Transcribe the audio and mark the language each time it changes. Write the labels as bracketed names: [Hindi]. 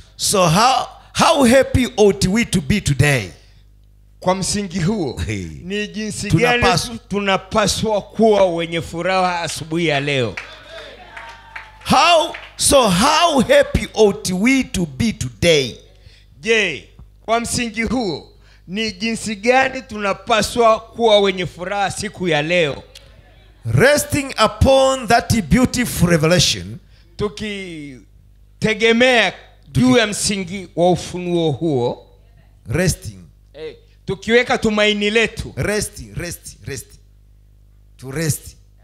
[English] So how happy ought we to be today? [Swahili] Kwa msingi huo, ni jinsi gani tunapaswa kuwa wenye furaha asubuhi ya leo. [English] How happy ought we to be today? [Swahili] Je, kwa msingi huo, ni jinsi gani tunapaswa kuwa wenye furaha siku ya leo? [English] Resting upon that beautiful revelation. [Swahili] Tuki tegemea juu ya msingi wa ufunuo huo. [English] Resting. [Swahili] Tukiweka tumaini letu. [English] Rest. To rest.